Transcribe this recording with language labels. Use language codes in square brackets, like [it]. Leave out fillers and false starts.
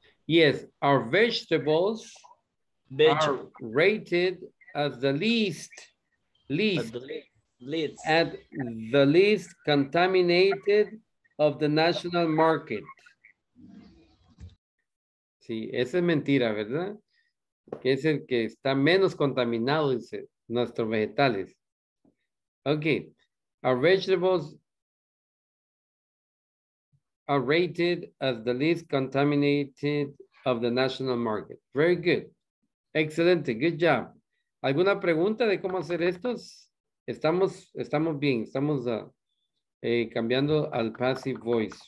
[en] Yes, our vegetables are rated as the least contaminated of the national market. [es] Sí, esa es mentira, ¿verdad? Que es el que está menos contaminado, dice, nuestros vegetales. Okay. [en] Our vegetables are rated as the least contaminated of the national market. Very good. Excellent. Good job. [es] ¿Alguna pregunta de cómo hacer estos? Estamos bien. Estamos cambiando al passive voice.